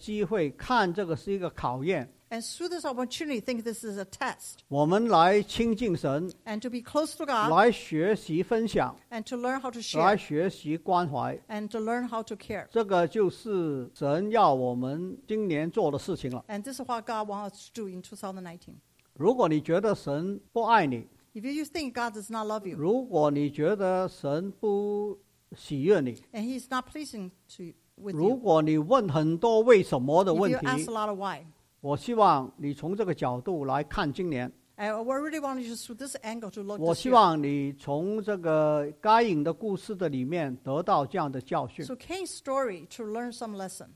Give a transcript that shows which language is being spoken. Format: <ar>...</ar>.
<zh>我们应该借这个机会看这个是一个考验。</zh> <en>And through this opportunity, think this is a test.</en> <zh>我们来亲近神。</zh> <en>And to be close to God.</en> <zh>来学习分享。</zh> <en>And to learn how to share.</en> <zh>来学习关怀。</zh> <en>And to learn how to care.</en> <zh>这个就是神要我们今年做的事情了。</zh> <en>And this is what God wants us to do in 2019.</en> <zh>如果你觉得神不爱你，</zh> <en>if you think God does not love you,</en> <zh>如果你觉得神不 喜悦你，</zh> <en>and he's not pleasing to with you.</en> <zh>如果你问很多为什么的问题，</zh> <en>if you ask a lot of why,</en> <zh>我希望你从这个角度来看今年。</zh> <en>And I really want you through this angle to look.</en> <zh>我希望你从这个该隐的故事的里面得到这样的教训。</zh> <en>So Cain's story to learn some lesson.</en>